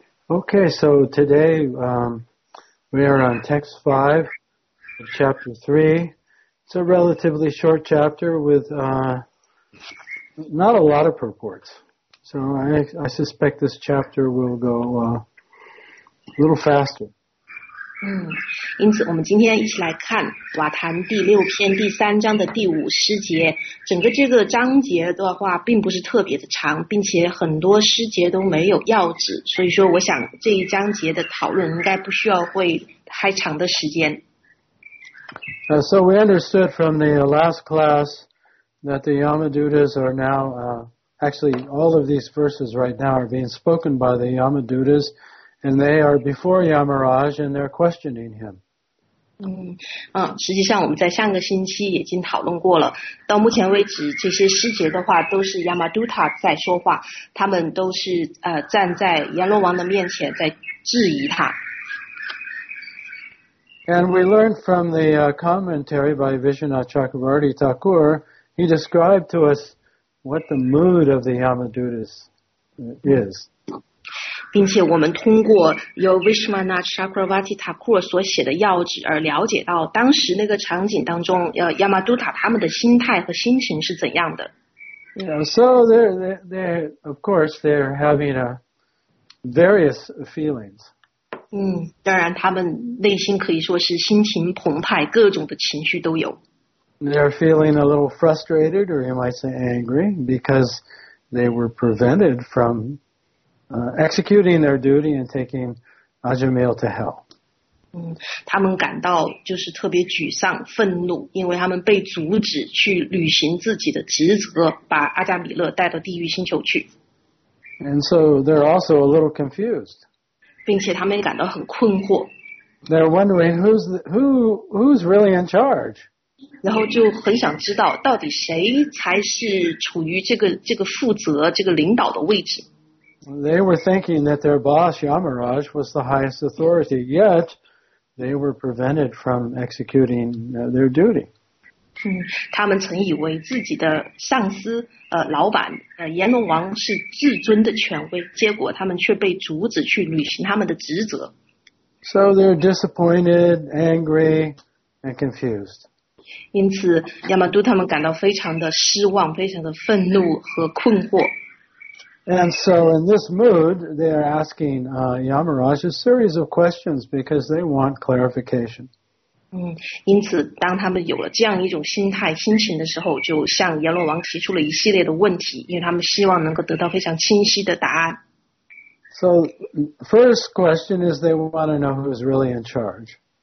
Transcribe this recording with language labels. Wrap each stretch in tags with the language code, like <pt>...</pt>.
<en>Okay, so today we are on text 5 of chapter 3. It's a relatively short chapter with not a lot of purports. So I suspect this chapter will go a little faster.</en> <zh>因此我们今天一起来看瓦坛第六篇第三章的第五诗节。整个这个章节的话并不是特别的长，并且很多诗节都没有要旨，所以说我想这一章节的讨论应该不需要会太长的时间。</zh> <en>So we understood from the last class that the Yamadutas are now, actually all of these verses right now are being spoken by the Yamadutas, and they are before Yamaraj and they're questioning him.</en> <zh>实际上我们在上个星期已经讨论过了，到目前为止这些诗节的话都是 Yamaduta 在说话，他们都是站在阎罗王的面前在质疑他。</zh> <en>And we learned from the commentary by Vishwanatha Chakravarti Thakur, he described to us what the mood of the Yamadutas is.</en> <zh>并且我们通过由 Vishwanatha Chakravarti Thakur 所写的要旨而了解到当时那个场景当中 Yamaduta 他们的心态和心情是怎样的。</zh> <en>So they're, of course, they're having various feelings.</en> <zh>当然他们内心可以说是心情澎湃，各种的情绪都有。</zh> <en>They're feeling a little frustrated, or you might say angry, because they were prevented from executing their duty and taking Ajamil to hell.</en> <zh>他们感到就是特别沮丧、愤怒，因为他们被阻止去履行自己的职责，把阿加米勒带到地狱星球去。</zh> <en>And so they're also a little confused.</en> <zh>并且他们也感到很困惑。</zh> <en>They're wondering who's really in charge.</en> <zh>然后就很想知道到底谁才是处于这个负责这个领导的位置。</zh> <en>They were thinking that their boss Yamaraj was the highest authority, yet they were prevented from executing their duty.</en> <zh>他们曾以为自己的上司老板阎罗王是至尊的权威，结果他们却被阻止去履行他们的职责。</zh> <en>So they're disappointed, angry, and confused.</en> <zh>因此亚玛都他们感到非常的失望，非常的愤怒和困惑。</zh> <en>And so in this mood, they are asking Yamaraj a series of questions because they want clarification.</en> <zh>因此当他们有了这样一种心态心情的时候，就向阎罗王提出了一系列的问题，因为他们希望能够得到非常清晰的答案。</zh> <en>So, first question is they want to know who's really in charge.</en>